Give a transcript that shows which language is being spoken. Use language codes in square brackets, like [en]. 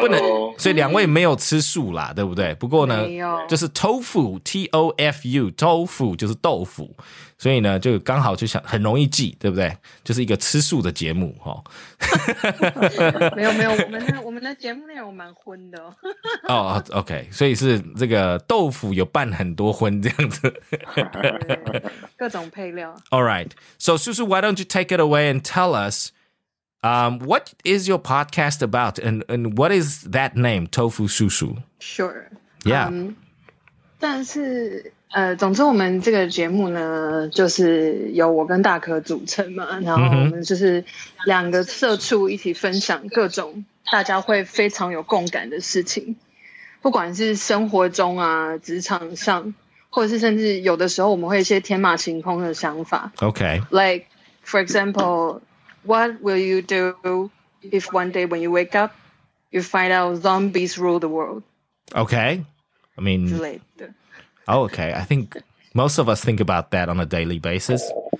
[zh] 不能，所以两位没有吃素啦，对不对？不过呢，就是豆腐 T O F U， 豆腐就是豆腐。所以呢就刚好就想很容易记，对不对？就是一个吃素的节目齁。没有没有，我们的节目内容蛮荤的。哦、oh, ,OK, 所以是这个豆腐有拌很多荤这样子。各种配料。 [en] Alright, so Susu, why don't you take it away and tell us, what is your podcast about, and what is that name, Tofu Susu? Sure. Yeah. [zh] 但是总之我们这个节目呢就是由我跟大可组成嘛，然后我们就是两个社畜一起分享各种大家会非常有共感的事情，不管是生活中啊，职场上，或者是甚至有的时候我们会一些天马行空的想法。 [en] OK, like for example, what will you do if one day when you wake up you find out zombies rule the world? OK, I mean [zh] 之类的。 [en] Oh, okay. I think most of us think about that on a daily basis.